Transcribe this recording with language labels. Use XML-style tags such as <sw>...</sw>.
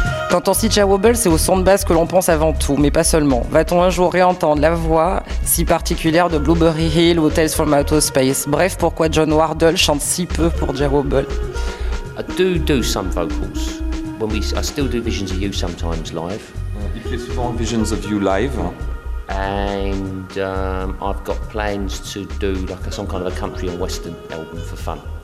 <fr>Quand on cite Ja Wobble, c'est au son de basse que l'on pense avant tout, mais pas seulement. Va-t-on un jour réentendre la voix si particulière de Blueberry Hill ou Tales from Outer Space? Bref, pourquoi John Wardle chante si peu pour Ja Wobble?</fr> <en>I do some vocals. I still do Visions of You sometimes live.</en> <fr>Il fait souvent Visions of You live.</fr> <en>And I've got plans to do like some kind of a country and western album for fun.</en>